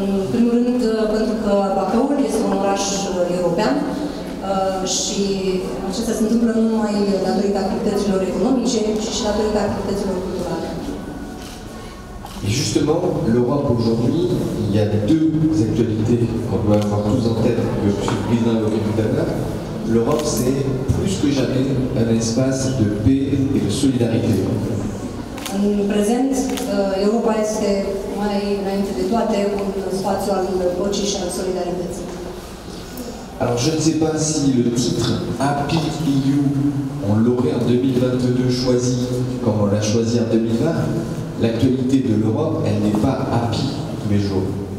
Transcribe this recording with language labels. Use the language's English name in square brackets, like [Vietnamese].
[French] premier lieu, parce que Bacao est un village européen. [Romanian] Și acestea se întâmplă nu numai datorită activităților economice, ci și datorită activităților culturale. [French] Et justement, l'Europe aujourd'hui, il y a deux actualités qu'on doit avoir tous en tête, que M. le Président l'a tout à l'heure. L'Europe, c'est plus que jamais un espace de paix et de solidarité. [Romanian] În prezent, Europa este mai înainte de toate un spațiu al păcii și al solidarității. [French] Alors je ne sais pas si le titre Happy EU, on l'aurait en 2022 choisi comme on l'a choisi en 2020. L'actualité de l'Europe, elle n'est pas Happy, mais jaune.